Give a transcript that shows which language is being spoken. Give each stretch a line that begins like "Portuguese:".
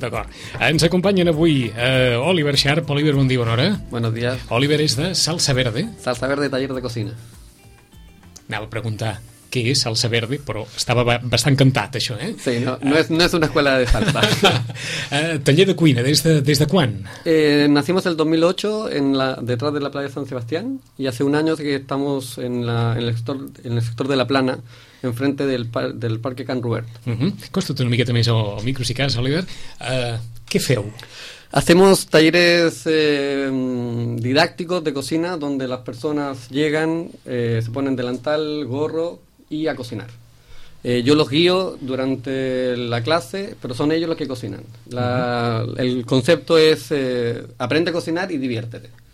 Catalan: D'acord. Ens acompanyen avui Oliver Sharp. Oliver, bon dia, bona hora.
Spanish: Buenos días.
Catalan: Oliver és de Salsa Verde.
Spanish: Salsa Verde, taller de cocina.
Catalan: Anava a preguntar què és Salsa Verde, però estava bastant cantat, això, eh? Sí, no és una escuela de salsa. Taller de cuina, des de quan?
Spanish: Nacimos el 2008 detrás de la playa San Sebastián y hace un año que estamos en el sector de La Plana, enfrente del Parque Can Robert. Uh-huh.
Catalan: Costa't una miqueta més el micro, si cas, Oliver. Què feu?
Spanish: Hacemos talleres didácticos de cocina donde las personas llegan, se ponen delantal, gorro y a cocinar. Yo los guío durante la clase, pero son ellos los que cocinan. El concepto es aprende a cocinar y diviértete.